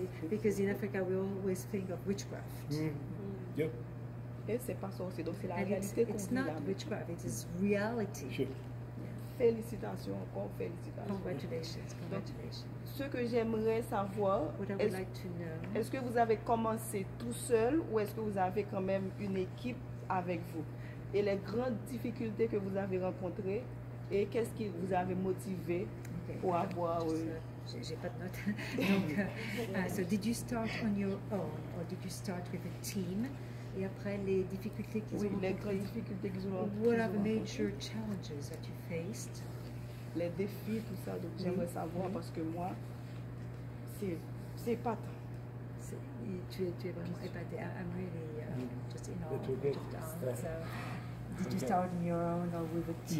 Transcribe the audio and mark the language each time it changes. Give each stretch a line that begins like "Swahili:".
English: Because in Africa we always think of witchcraft.
French: Et c'est pas sorcier, donc c'est la réalité.
English: It's not witchcraft, it is reality.
French: Félicitations, encore félicitations.
English: Congratulations.
French: Ce que j'aimerais savoir, est-ce que vous avez commencé tout seul ou est-ce que vous avez quand même une équipe avec vous? Et les grandes difficultés que vous avez rencontrées et qu'est-ce qui vous avait motivé pour avoir... J'ai pas de notes.
English: Donc, so did you start on your own or did you start with a team?
French: Et après les difficultés qu'ils ont rencontrées. Oui, les difficultés qu'ils ont rencontrées.
English: What are the major challenges that you faced?
French: Les défis, tout ça. Donc, j'aimerais savoir parce que moi, c'est pas tant. Tu es vraiment épaté.
English: I'm really just in awe of your time. Did you start on your own or with a team?